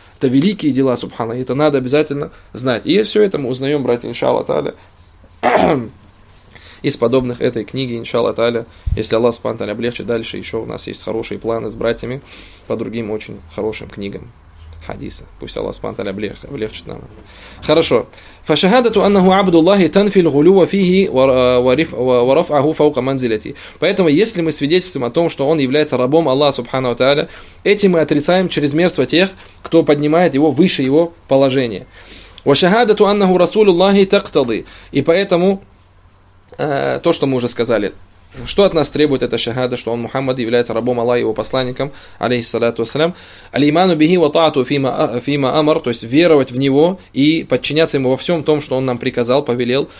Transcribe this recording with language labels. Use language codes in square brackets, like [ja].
[ru] Это великие дела, субхана, это надо обязательно знать. И все это мы узнаем, братья, иншаллах тааля, из подобных этой книги, иншаллах тааля, если Аллах, субхана тааля, облегчит дальше, еще у нас есть хорошие планы с братьями по другим очень хорошим книгам хадиса. Пусть Аллах, субхана тааля, облегчит нам. Хорошо. [ar] فشهادته أنه عبد الله تنفي الغلو فيه ورفعه فوق منزلتي. [ru] Поэтому если мы свидетельствуем о том, что он является рабом Аллаха Субханаху Тааля, этим мы отрицаем чрезмерство тех, кто поднимает его выше его положения. [ar] وشهادته أنه رسول الله تقتضي. [ru] И поэтому то, что мы уже сказали. Что от нас требует эта шахада, что он Мухаммад является рабом Аллаха и его посланником, алейхиссалату вассалям. [ar] Алиману бихи ва таату фима амар, [ru] то есть веровать в него и подчиняться ему во всем том, что он нам приказал, повелел.